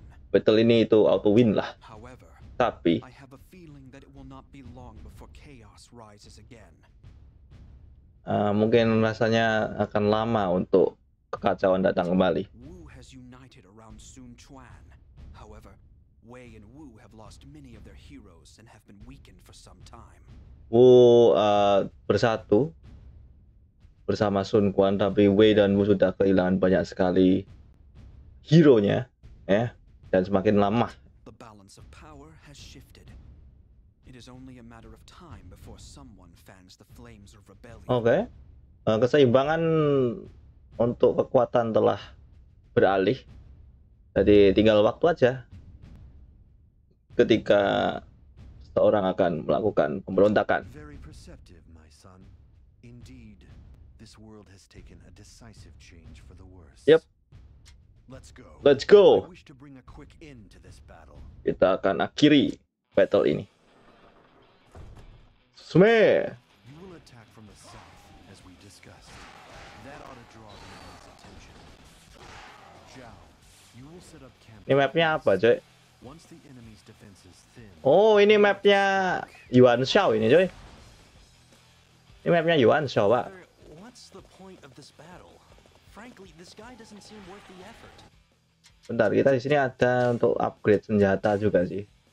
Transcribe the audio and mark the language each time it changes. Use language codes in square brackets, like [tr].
[id] Battle ini itu auto win lah. Tapi [en] I have a feeling that it will not be long before chaos rises again. [id] Mungkin rasanya akan lama untuk kekacauan datang kembali. [en] Wu has united around Sun Quan. However, Wei and Wu have lost many of their heroes and have been weakened for some time. [id] Wu bersatu bersama Sun Quan, tapi Wei dan Wu sudah kehilangan banyak sekali hero-nya, ya, dan semakin lama. [en] The balance of power has shifted. It is only a matter of time before someone fans the flames of rebellion. [id] Oke. Keseimbangan untuk kekuatan telah beralih. Jadi tinggal waktu aja ketika seorang akan melakukan pemberontakan. [en] Very perceptive, my son. Indeed, this world has taken a decisive change for the worse. Yep. Let's go. I wish to bring a quick end to this battle. [id] Kita akan akhiri battle ini. Sme. [en] You will attack from the south, as we discussed. That ought to draw the enemy's attention. Zhao, you will set up camp. [id] Ini mapnya apa, coy? [en] Once the enemy's defense is thin. [id] Oh, ini mapnya Yuan Shao ini, coy. Ini mapnya Yuan Shao, Pak. [en] What's the point of this battle? Frankly, this guy doesn't seem worth the effort. [id] Bentar, kita di sini ada untuk upgrade senjata juga sih.